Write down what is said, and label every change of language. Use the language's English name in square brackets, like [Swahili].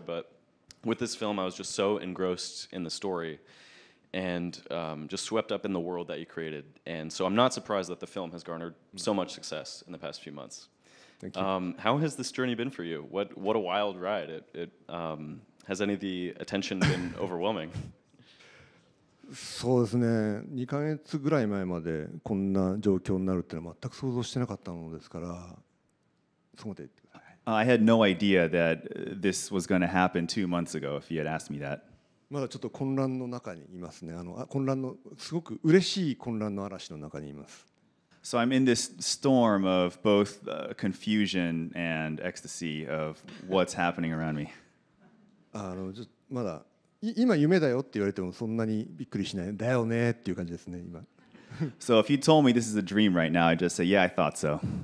[English] But with this film, I was just so engrossed in the story and just swept up in the world that you created. And so I'm not surprised that the film has garnered so much success in the past few months. Thank you. How has this journey been for you? What a wild ride. It has any of the attention been overwhelming? [Japanese] そうですね。 2ヶ月ぐらい前までこんな状況になるっていうのは全く想像してなかったのですから、そこで。 [English] I had no idea that this was going to happen 2 months ago if you had asked me that. [Japanese] まだちょっと混乱の中にいますね。混乱のすごく嬉しい混乱の嵐の中にいます。 [English] So I'm in this storm of both confusion and ecstasy of what's happening around me. [Japanese] まだ今夢だよって言われてもそんなにびっくりしないだよねっていう感じですね今。 [English] So if you told me this is a dream right now, I'd just say, yeah, I thought so.